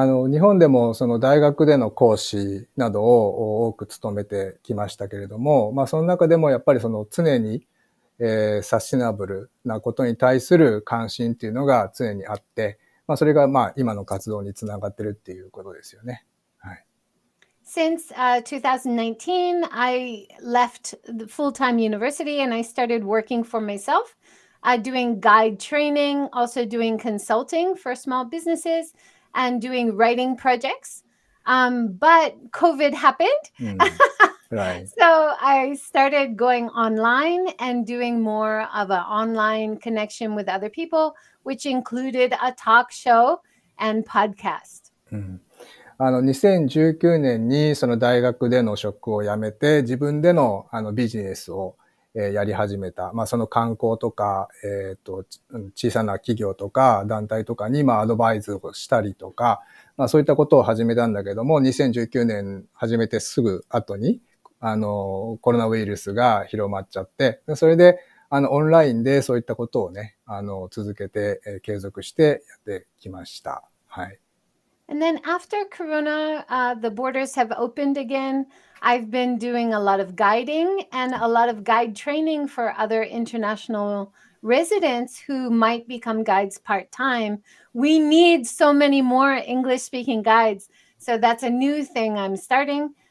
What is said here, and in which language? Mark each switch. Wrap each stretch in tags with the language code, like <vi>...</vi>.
<ja>日本でもその大学での講師などを多く務めてきましたけれども、まあ、その中でもやっぱりその常に、サスティナブルなことに対する関心っていうのが常にあって、まあ、それがまあ今の活動につながってるっていうことですよね。</ja> <en>Since 2019, I left the full-time university and I started working for myself, doing guide training, also doing consulting for small businesses and doing writing projects. But COVID happened. So I started going online and doing more of an online connection with other people, which included a talk show and podcast.、</en> <ja>2019年にその大学での職を辞めて自分で の, ビジネスを、やり始めた。まあ、その観光とか、小さな企業とか団体とかに、まあ、アドバイスをしたりとか、まあ、そういったことを始めたんだけども、2019年始めてすぐ後に、コロナウイルスが広まっちゃって、それで、オンラインでそういったことをね、続けて、継続してやってきました。はい。</ja> <en>And then after Corona, the borders have opened again. I've been doing a lot of guiding and a lot of guide training for other international residents who might become guides part-time. We need so many more English-speaking guides. So that's a new thing I'm starting.</en>